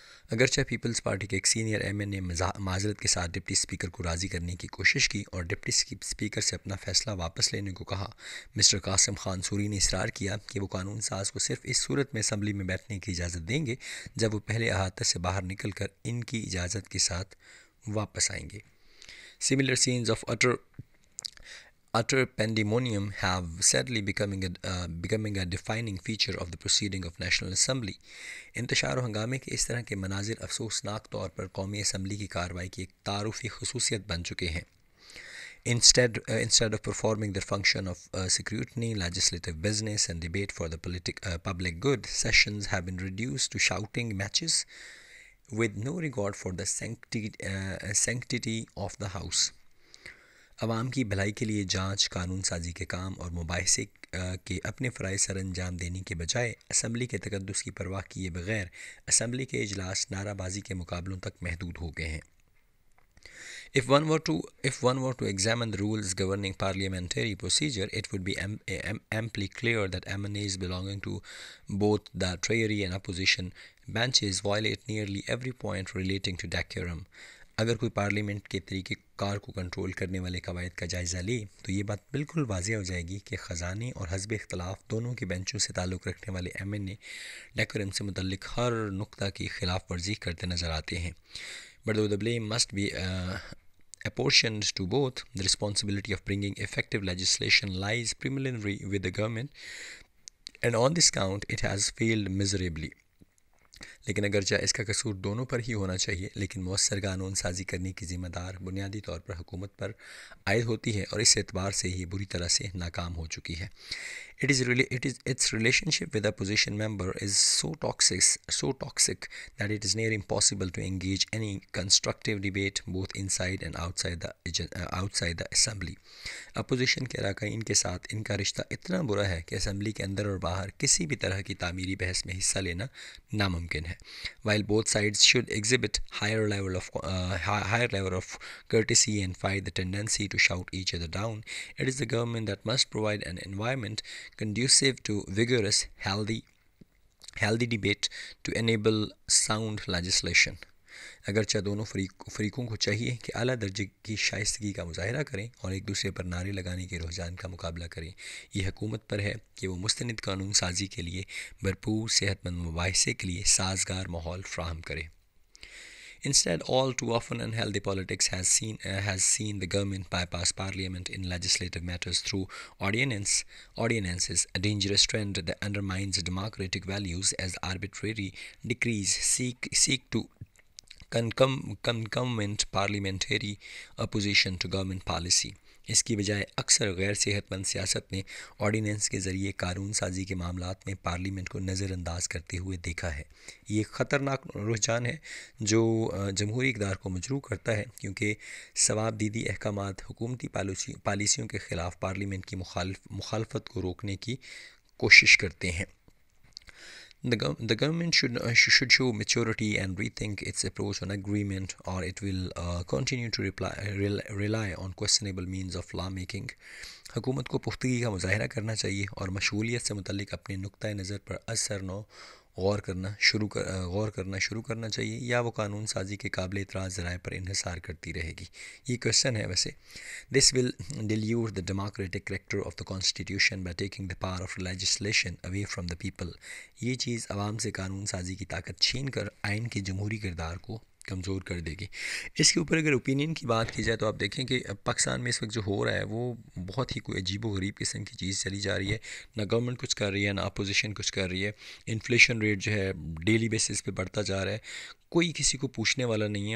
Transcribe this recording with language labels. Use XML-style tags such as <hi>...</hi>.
<ur>اگرچہ Peoples party کے ایک سینئر ایم این اے معذرت کے ساتھ ڈپٹی سپیکر کو راضی کرنے کی کوشش کی اور ڈپٹی سپیکر سے اپنا فیصلہ واپس لینے کو کہا, مسٹر قاسم خان سوری نے اصرار کیا کہ وہ قانون ساز کو صرف اس صورت میں اسمبلی میں بیٹھنے کی اجازت دیں گے جب وہ پہلے احاطہ سے باہر نکل کر ان کی اجازت کے ساتھ واپس آئیں گے.</ur> <en>Similar scenes of utter pandemonium have sadly becoming a defining feature of the proceeding of national assembly.</en> <ur>انتشار و ہنگامے کے اس طرح کے مناظر افسوسناک طور پر قومی اسمبلی کی کارروائی کی ایک تعارفی خصوصیت بن چکے ہیں.</ur> <en>Instead of performing their function of scrutiny, legislative business and debate for the public good, sessions have been reduced to shouting matches with no regard for the sanctity of the house.</en> <ur>عوام کی بھلائی کے لیے جانچ قانون سازی کے کام اور مباحثے کے اپنے فرائض سر انجام دینے کے بجائے اسمبلی کے تقدس کی پرواہ کیے بغیر اسمبلی کے اجلاس نعرہ بازی کے مقابلوں تک محدود ہو گئے ہیں.</ur> <en>If one were to examine the rules governing parliamentary procedure, it would be amply clear that MNAs belonging to both the treasury and opposition benches violate nearly every point relating to decorum.</en> <ur>اگر کوئی parliament کے طریقے کار کو control کرنے والے قواعد کا جائزہ لے تو یہ بات بالکل واضح ہو جائے گی کہ خزانے اور حزب اختلاف دونوں کے بینچوں سے تعلق رکھنے والے ایم این اے ڈیکورم سے متعلق ہر نقطہ کی خلاف ورزی کرتے نظر آتے ہیں.</ur> <en>But though the blame must be apportioned to both, the responsibility of bringing effective legislation lies primarily with the government, and on this count it has failed miserably.</en> <ur>لیکن اگرچہ اس کا قصور دونوں پر ہی ہونا چاہیے لیکن مؤثر قانون سازی کرنے کی ذمہ دار بنیادی طور پر حکومت پر عائد ہوتی ہے اور اس اعتبار سے ہی بری طرح سے ناکام ہو چکی ہے.</ur> <en>Its relationship with opposition member is so toxic that it is near impossible to engage any constructive debate both inside and outside the assembly.</en> <ur>Opposition کے رکنین کے ساتھ ان کا رشتہ اتنا برا ہے کہ اسمبلی کے اندر اور باہر کسی بھی طرح کی تعمیری بحث میں حصہ لینا ناممکن ہے.</ur> <en>While both sides should exhibit higher level of courtesy and fight the tendency to shout each other down, it is the government that must provide an environment conducive to vigorous, healthy debate to enable sound legislation.</en> <ur>اگرچہ دونوں فریقوں کو چاہیے کہ اعلیٰ درجے کی شائستگی کا مظاہرہ کریں اور ایک دوسرے پر نعرے لگانے کے رجحان کا مقابلہ کریں, یہ حکومت پر ہے کہ وہ مستند قانون سازی کے لیے بھرپور صحت مند مباحثے کے لیے سازگار ماحول فراہم کرے.</ur> <en>Instead, all too often unhealthy politics has seen the government bypass parliament in legislative matters through ordinances, a dangerous trend that undermines democratic values as arbitrary decrees seek to concomitant parliamentary opposition to government policy.</en> <ur>اس کی بجائے اکثر غیر صحت مند سیاست نے ordinance کے ذریعے قانون سازی کے معاملات میں پارلیمنٹ کو نظر انداز کرتے ہوئے دیکھا ہے. یہ خطرناک رجحان ہے جو جمہوری اقدار کو مجروح کرتا ہے, کیونکہ ثواب دیدی احکامات حکومتی پالیسیوں کے خلاف پارلیمنٹ کی مخالفت کو روکنے کی کوشش کرتے ہیں.</ur> <en>The government should show maturity and rethink its approach on agreement, or it will continue to rely on questionable means of lawmaking.</en> <ur>حکومت کو پختگی کا مظاہرہ کرنا چاہیے اور مشغولیت سے متعلق اپنے نقطۂ نظر پر اثر نو غور کرنا شروع کرنا چاہیے, یا وہ قانون سازی کے قابل اعتراض ذرائع پر انحصار کرتی رہے گی. یہ کوشچن ہے ویسے.</ur> <en>This will deliver the democratic character of the constitution by taking the power of legislation away from the people.</en> <ur>یہ چیز عوام سے قانون سازی کی طاقت چھین کر آئین کے جمہوری کردار کو کمزور کر دے گی. اس کے اوپر اگر اوپینین کی بات کی جائے تو آپ دیکھیں کہ پاکستان میں اس وقت جو ہو رہا ہے وہ بہت ہی کوئی عجیب و غریب قسم کی چیز چلی جا رہی ہے. نہ گورنمنٹ کچھ کر رہی ہے, نہ اپوزیشن کچھ کر رہی ہے. انفلیشن ریٹ جو ہے ڈیلی بیسس پہ بڑھتا جا رہا ہے, کوئی کسی کو پوچھنے والا نہیں ہے.</ur>